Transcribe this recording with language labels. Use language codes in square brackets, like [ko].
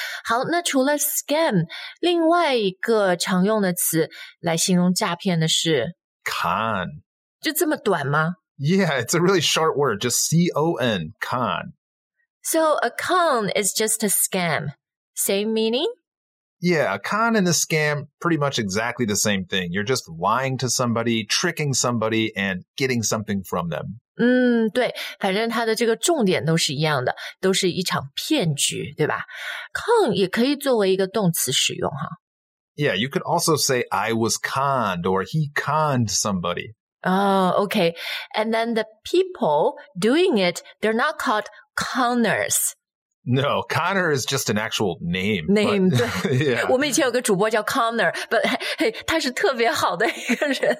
[zh] 好，那除了 scam, 另外一个常用的词来形容诈骗的是 [en] con. [zh] 就这么短吗 [en] ？Yeah, it's a really short word, just con, con. So a con is just a scam, same meaning? Yeah, a con and a scam, pretty much exactly the same thing. You're just lying to somebody, tricking somebody, and getting something from them. [zh] 嗯，对，反正它的这个重点都是一样的，都是一场骗局，对吧 ？Con 也可以作为一个动词使用哈。 [en] Yeah, you could also say I was conned or he conned somebody. Oh, okay. And then the people doing it, they're not called conners. No, Connor is just an actual name. Name, but, [zh] 对。 [en] Yeah. [zh] 我们以前有个主播叫 Connor, [en] but hey, [zh] 他是特别好的一个人。